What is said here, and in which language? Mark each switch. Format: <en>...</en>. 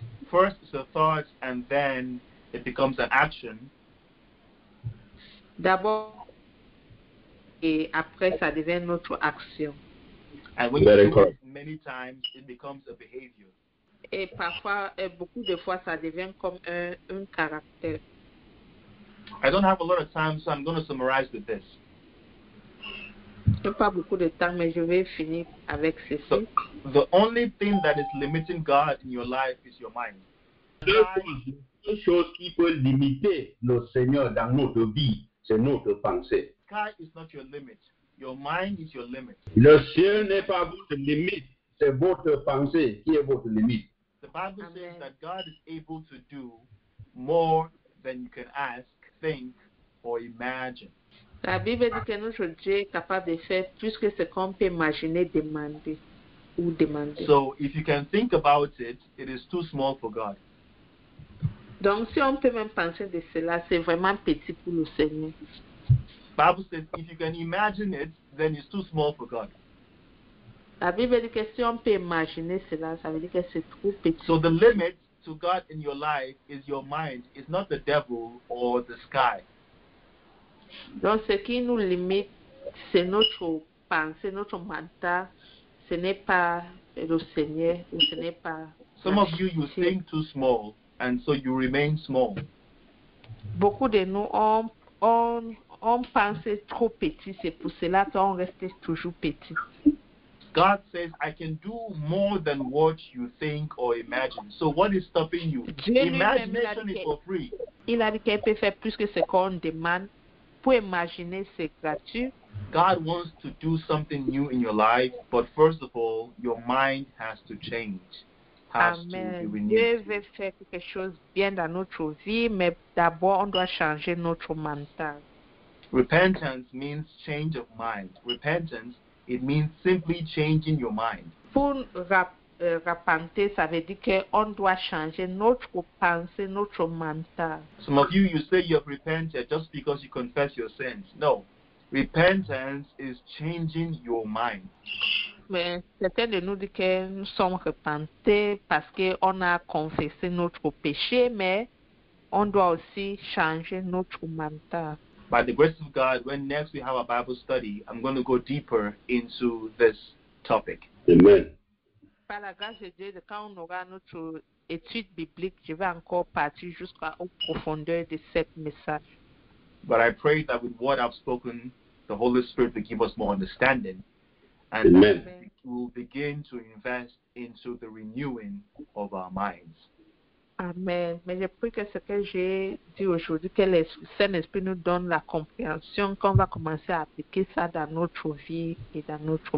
<en>First, it's a thought, and then it becomes an action.</en> <fr>D'abord, et après, ça devient notre action.</fr> <en>And when you do it many times, it becomes a behavior.</en> <fr>Et parfois, et beaucoup de fois, ça devient comme un caractère.</fr> <en>I don't have a lot of time, so I'm going to summarize with this.</en> <fr>Pas beaucoup de temps, mais je vais finir avec ceci.</fr> <en>So, the only thing that is limiting God in your life is your mind.</en> <fr>Deux choses qui peuvent limiter le Seigneur dans notre vie, c'est notre pensée.</fr> <en>The sky is not your limit. Your mind is your limit.</en> <fr>Le ciel n'est pas votre limite, c'est votre pensée qui est votre limite.</fr> <en>The Bible says that God is able to do more than you can ask, think, or imagine.</en> <fr>La Bible dit que notre Dieu est capable de faire plus que ce qu'on peut imaginer, demander ou demander.</fr> <en>So, if you can think about it, it is too small for God.</en> <fr>Donc, si on peut même penser de cela, c'est vraiment petit pour le Seigneur.</fr> <en>Bible says, if you can imagine it, then it's too small for God.</en> <fr>La Bible dit que si on peut imaginer cela, ça veut dire que c'est trop petit.</fr> <en>So, the limit to God in your life is your mind, is not the devil or the sky.</en> <fr>Donc ce qui nous limite, c'est notre pensée, notre mental, ce n'est pas le Seigneur, ce n'est pas.</fr> <en>Some of you think too small, and so you remain small.</en> <fr>Beaucoup de nous on pense trop petit, c'est pour cela qu'on reste toujours petit.</fr> <en>God says, I can do more than what you think or imagine. So what is stopping you? Imagination is for free.</en> <fr>Il a dit qu'il peut faire plus que ce qu'on demande. Pour imaginer, c'est gratuit.</fr> <en>God wants to do something new in your life, but first of all, your mind has to change. Amen.</en> <fr>Dieu veut faire quelque chose bien dans notre vie, mais d'abord, on doit changer notre mental.</fr> <en>Repentance means change of mind. Repentance, it means simply changing your mind.</en> <fr>Pour repentir, ça veut dire que on doit changer notre pensée, notre mental.</fr> <en>Some of you say you have repented just because you confess your sins. No, repentance is changing your mind.</en> <fr>Mais certains de nous disent que nous sommes repentis parce que on a confessé notre péché, mais on doit aussi changer notre mental.</fr> <en>By the grace of God, when next we have a Bible study, I'm going to go deeper into this topic. Amen.</en> <fr>Par la grâce de Dieu, quand on aura notre étude biblique, je vais encore partir jusqu'à aux profondeurs de cette message.</fr> <en>But I pray that with what I've spoken, the Holy Spirit will give us more understanding. And amen. We'll begin to invest into the renewing of our minds. Amen.</en> <fr>Mais je prie que ce que j'ai dit aujourd'hui, que le Saint-Esprit nous donne la compréhension qu'on va commencer à appliquer ça dans notre vie et dans notre</fr>